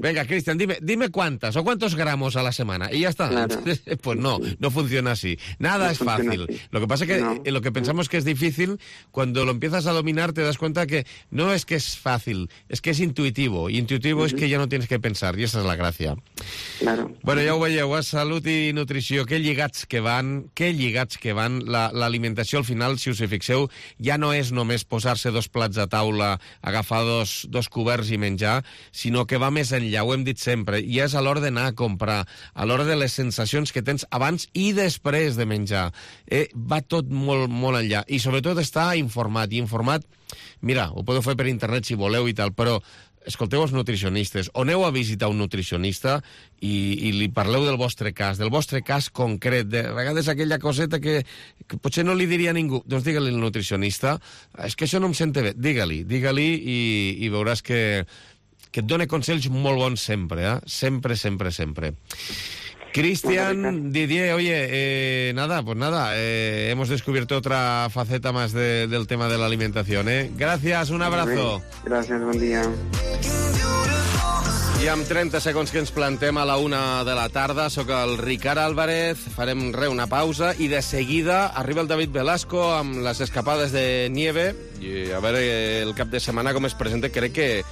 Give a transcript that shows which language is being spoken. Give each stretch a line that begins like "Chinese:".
Spanish: Venga, Cristian, dime cuántas o cuántos gramos a la semana, y ya está. Claro. Pues no funciona así, nada no es fácil. Así. Lo que pasa es que lo que pensamos que es difícil, cuando lo empiezas a dominar te das cuenta que no es que es fácil, es que es intuitivo, y intuitivo es que ya no tienes que pensar, y esa es la gracia. Claro.
Catalan: Bueno, ya ho veieu, salut i nutrició, que lligats que van, l'alimentació al final, si us hi fixeu, ja no és només posar-se dos plats a taula, agafar dos coberts i menjar, sinó que va més enllà, ho hem dit sempre, i és a l'hora d'anar a comprar, a l'hora de les sensacions que tens abans i després de menjar. Va tot molt, molt enllà, i sobretot està informat, i informat, mira, ho podeu fer per internet si voleu i tal, però escolteu els nutricionistes, o aneu a visitar un nutricionista i li parleu del vostre cas concret, de vegades aquella coseta que potser no li diria a ningú, doncs digue-li al nutricionista, és que això no em sente bé, digue-li i veuràs que et dona consells molt bons sempre, eh? Sempre.
Spanish: Cristian, Didier, oye, hemos descubierto otra faceta más del tema de la alimentación, ¿eh? Gracias, un abrazo. Gracias,
Catalan: bon dia. I amb 30 segons que ens plantem a la una de la tarda, sóc el Ricard Álvarez, farem una pausa i de seguida arriba el David Velasco amb les escapades de nieve i a veure el cap de setmana com es presenta, crec que